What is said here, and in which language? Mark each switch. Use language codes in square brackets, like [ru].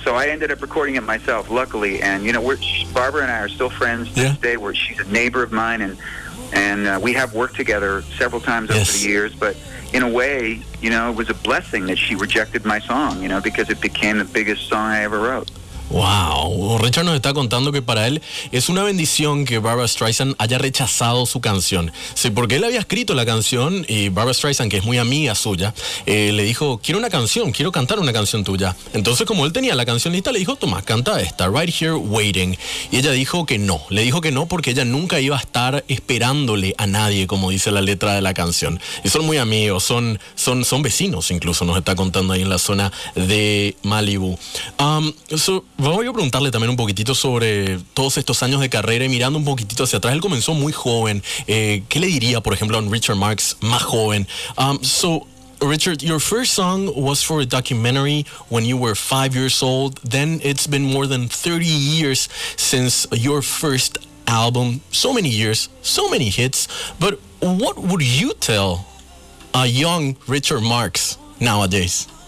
[en] So I ended up recording it myself, luckily, and, you know, Barbara and I are still friends to this day, where she's a neighbor of mine, and we have worked together several times over the years, but in a way, you know, it was a blessing that she rejected my song, you know, because it became the biggest song I ever wrote. Wow. [es] Richard nos está contando que para él es una bendición que Barbara Streisand haya rechazado su canción. Sí, porque él había escrito la canción y Barbara Streisand, que es muy amiga suya, le dijo, quiero una canción, quiero cantar una canción tuya. Entonces, como él tenía la canción lista, le dijo, toma, canta esta, Right Here Waiting. Y ella dijo que no. Le dijo que no porque ella nunca iba a estar esperándole a nadie, como dice la letra de la canción. Y son muy amigos, son vecinos incluso, nos está contando ahí en la zona de Malibu. Voy a preguntarle también un poquitito sobre todos estos años de carrera y mirando un poquitito hacia atrás. Él comenzó muy joven. ¿Qué le diría, por ejemplo, a Richard Marx más joven? [en] So, Richard, your first song was for a documentary when you were 5 years old. Then it's been more than 30 years since your first album. So many years, so many hits. But what would you tell a young Richard Marx nowadays?